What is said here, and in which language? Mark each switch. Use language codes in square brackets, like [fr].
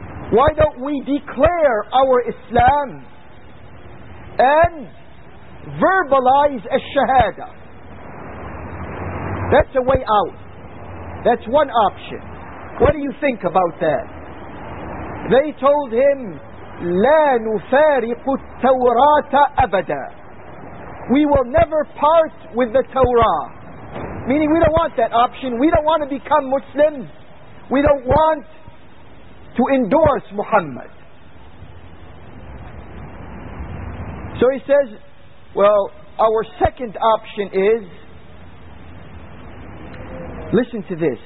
[en] Why don't we declare our Islam and verbalize a shahada? That's a way out. That's one option. What do you think about that? They told him, [ar] لَا نُفَارِقُ التَّوْرَاةَ أَبَدًا. [en] We will never part with the Torah. Meaning we don't want that option. We don't want to become Muslims. We don't want to endorse Muhammad. So he says, well, our second option is, listen to this.